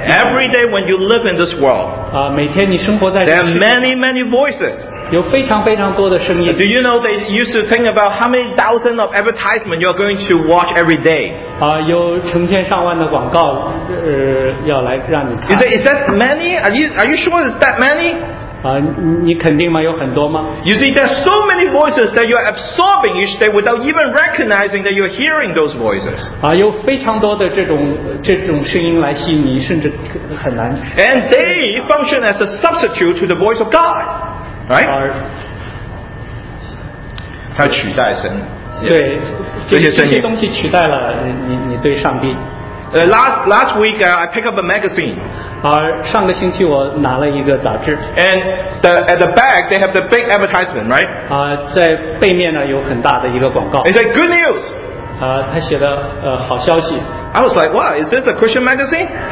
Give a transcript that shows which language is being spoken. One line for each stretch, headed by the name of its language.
English: every day when you live in this world,
Chinese: 每天你生活在这世界,
English: there are many, many voices.
Chinese: 有非常非常多的声音。
English: Do you know they used to think about how many thousands of advertisements you are going to watch every day?
Chinese: 有成千上万的广告, 要来让你看。
English: Is that many? Are you sure it's that many?
Chinese: 你肯定吗？有很多吗？
English: You see, there are so many voices that you are absorbing each day without even recognizing that you are hearing those voices.
Chinese: 有非常多的这种声音来吸引你，甚至很难。
English: And they function as a substitute to the voice of God, right?
Chinese: 它取代神。对，这些声音。这些东西取代了你对上帝。
English: Last week, I picked up a magazine.
Chinese: 上个星期我拿了一个杂志。
English: And at the back, they have the big advertisement, right?
Chinese: 在背面呢有很大的一个广告。
English: It's like good news.
Chinese: 他写的好消息。
English: I was like, wow, is this a Christian magazine?